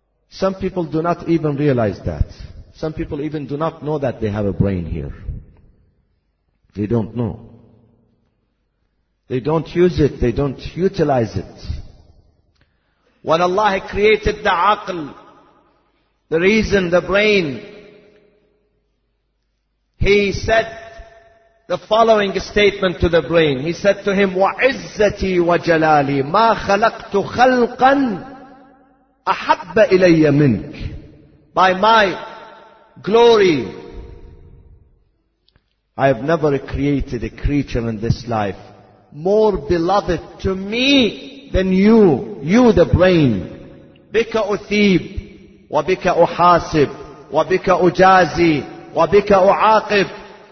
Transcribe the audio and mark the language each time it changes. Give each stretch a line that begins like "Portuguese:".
English: Some people do not even realize that. Some people even do not know that they have a brain here. They don't know. They don't use it. They don't utilize it. When Allah created the aql, the reason, the brain, He said the following statement to the brain. He said to him,
Arabic: وَعِزَّتِي وَجَلَالِي مَا خَلَقْتُ خَلْقًا أَحَبَّ إِلَيَّ مِنْكَ.
English: By my glory, I have never created a creature in this life more beloved to me than you. You, the brain.
Arabic: Bika uthib, wa bika uhasib, wa bika ujazi, wa bika uaqib.